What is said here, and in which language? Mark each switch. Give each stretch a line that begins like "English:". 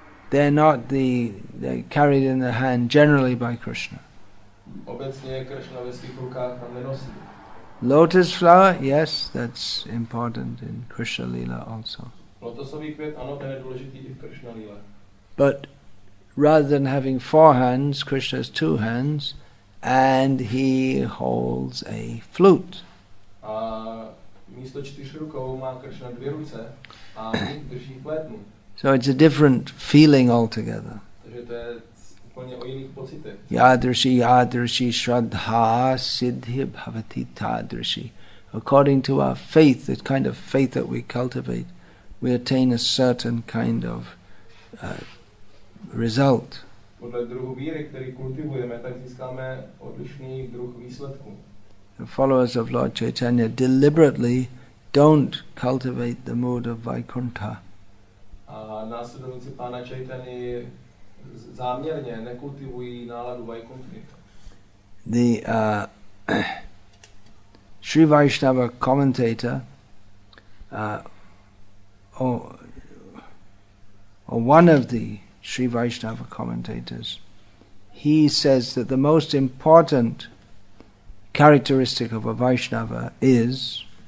English: They're carried in the hand generally by Krishna.
Czech: Obecně Krishna ve svých rukách tam nenosí.
English: Lotus flower, yes, that's important in Krishna Lila also.
Czech: Lotosový květ, ano, ten je důležitý i v Krishna Lila.
English: But rather than having four hands, Krishna has two hands, and he holds a flute.
Czech: A místo čtyř rukou má Krishna dvě ruce a drží flétnu.
English: So it's a different feeling altogether.
Czech: Takže to je úplně o jiných pocitech.
Sanskrit: Yadrshi, yadrshi, shraddha, siddhi, bhavati, tadrshi.
English: According to our faith, the kind of faith that we cultivate, we attain a certain kind of result.
Czech: Podle druhu víry, který kultivujeme, tak získáme odlišný druh výsledku.
English: The followers of Lord Chaitanya deliberately don't cultivate the mood of Vaikuntha.
Czech: A následovníci pána Chaitany záměrně nekultivují náladu Vaikunthy.
English: The Sri Vaishnava commentator or one of the Sri Vaishnava commentators, he says that the most important characteristic of a Vaishnava is